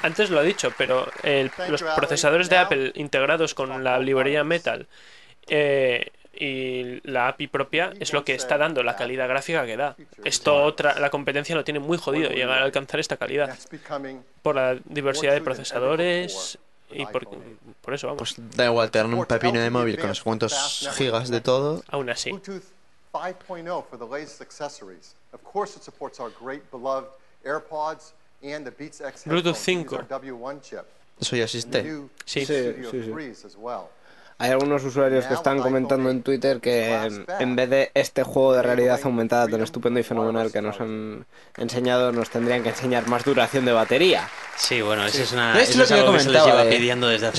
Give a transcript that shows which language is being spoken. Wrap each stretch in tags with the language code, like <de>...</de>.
<es>Antes lo he dicho, pero los procesadores de Apple integrados con la librería Metal y la API propia es lo que está dando la calidad gráfica que da. Esto otra, la competencia lo tiene muy jodido llegar a alcanzar esta calidad por la diversidad de procesadores. Y por eso vamos. Pues da igual tener un pepino de móvil con los cuantos gigas de todo. Aún así.</es> <en>Bluetooth 5.0 for the latest accessories. Of course it supports our great beloved AirPods and the Beats X Bluetooth 5. W1</en> <es>chip. Eso ya existe. Sí, sí, sí, sí. Hay algunos usuarios que están comentando en Twitter que en vez de este juego de realidad aumentada tan estupendo y fenomenal que nos han enseñado, nos tendrían que enseñar más duración de batería. Sí, bueno, eso es una. Es lo que yo comentaba. Que se les lleva pidiendo desde hace</es>